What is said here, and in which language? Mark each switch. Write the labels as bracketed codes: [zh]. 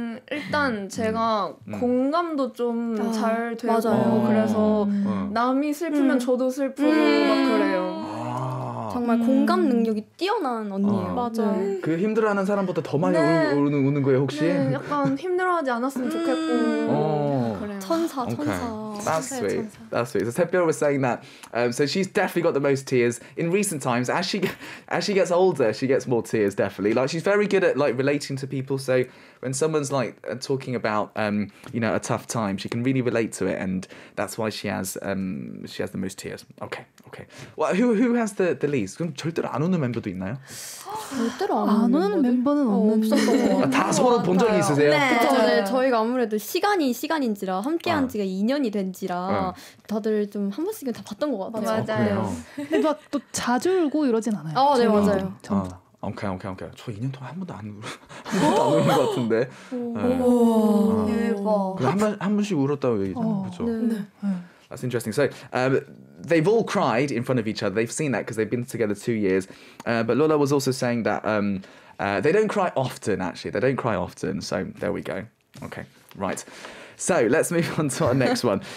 [ko] 일단 제가 공감도 좀 잘 되고 그래서 남이 슬프면 저도 슬프고 막 그래요. 정말 공감 능력이 뛰어난 언니예요. 맞아요. 그 힘들어하는 사람보다 더 많이 우는 거예요 혹시? 네, 약간 힘들어하지 않았으면 좋겠고. 천사. [en] That's sweet. 천사. That's sweet. So Tepeol was saying that. So she's definitely got the most tears in recent times. As she gets older, she gets more tears. Definitely. Like she's very good at like relating to people. So when someone's like talking about you know a tough time, she can really relate to it, and that's why she has the most tears. Okay. Well, who has the least? [ko] 그럼 절대로 안 우는 멤버도 있나요? 절대로 안 우는 멤버는 없는 것 같아요. 다 서로 본 적이 있으세요? 네. 그쵸, 네. 저희가 아무래도 시간인지라 함께한 지가 2년이 된지라 다들 좀 한 번씩은 다 봤던 것 같아요. 맞아요. 근데 막 또 자주 울고 이러진 않아요. 아, 네 맞아요. 오케이. 저 2년 동안 한 번도 안 울은 것 같은데. 오, 네. 대박. 한 번씩 울었다고 얘기죠. 그렇죠. 네. [en] That's interesting. So they've all cried in front of each other. They've seen that because they've been together 2 years. But Lola was also saying that they don't cry often, actually. They don't cry often. So there we go. Okay, right. So let's move on to our next one.